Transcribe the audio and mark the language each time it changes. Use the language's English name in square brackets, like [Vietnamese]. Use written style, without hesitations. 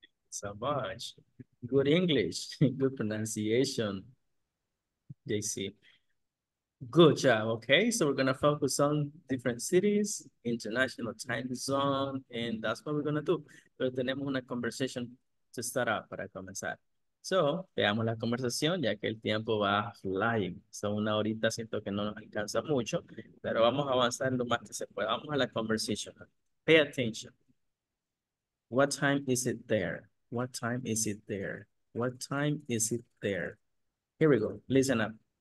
[English] So much. Good English. Good pronunciation, JC. Good job. Okay, so we're going to focus on different cities, international time zone, and that's what we're going to do. [Spanish] Pero tenemos una [English] conversation to start up [Spanish] para comenzar. So, veamos la conversación, ya que el tiempo va flying. Son una horita, siento que no nos alcanza mucho, pero vamos a avanzar lo más que se pueda. Vamos a la conversación. [English] Pay attention. What time is it there? What time is it there? What time is it there? Here we go. Listen up.